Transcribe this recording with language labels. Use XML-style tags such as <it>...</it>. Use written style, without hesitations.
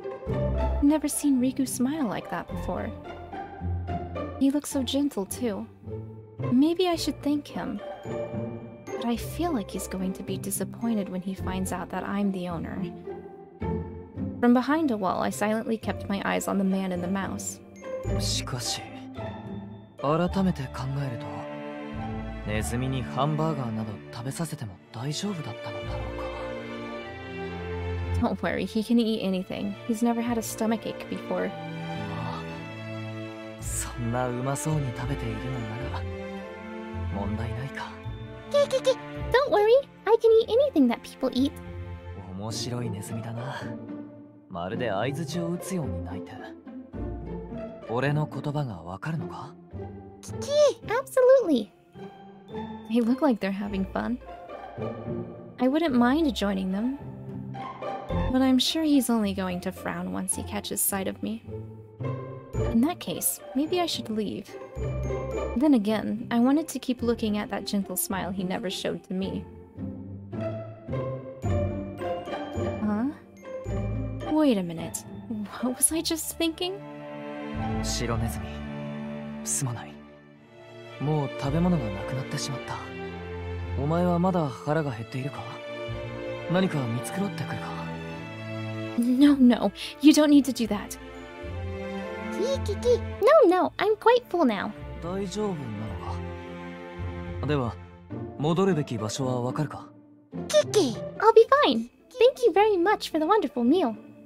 <en>I've never seen Riku smile like that before. He looks so gentle, too. Maybe I should thank him. But I feel like he's going to be disappointed when he finds out that I'm the owner. From behind a wall, I silently kept my eyes on the man and the mouse.</en> <ja>しかし... 改めて考えると、ネズミにハンバーガーなど食べさせても大丈夫だったのだろうか。</ja> <en>Don't worry, he can eat anything. He's never had a stomach ache before.</en> <ja>そんなうまそうに食べているのなら、問題ないか。</ja> <en>キキキ、Don't worry, I can eat anything that people eat.</en> <ja>面白いネズミだな。まるで相槌を打つように泣いて。俺の言葉がわかるのか？キキ、</ja> <en>Absolutely. They look like they're having fun. I wouldn't mind joining them. But I'm sure he's only going to frown once he catches sight of me. In that case, maybe I should leave. Then again, I wanted to keep looking at that gentle smile he never showed to me. Huh? Wait a minute. What was I just thinking?</en> <ja>白ネズミ、すまない。もう食べ物がなくなってしまった。お前はまだ腹が減っているか？何か見繕ってくるか？</ja> <en>No, no. You don't need to do that. キーキーキー。 No, no. I'm quite full now.</en> <ja>大丈夫なのか？では、戻るべき場所はわかるか？キーキ</ja> <en>ー。 I'll be fine. Thank you very much for the wonderful meal.</en>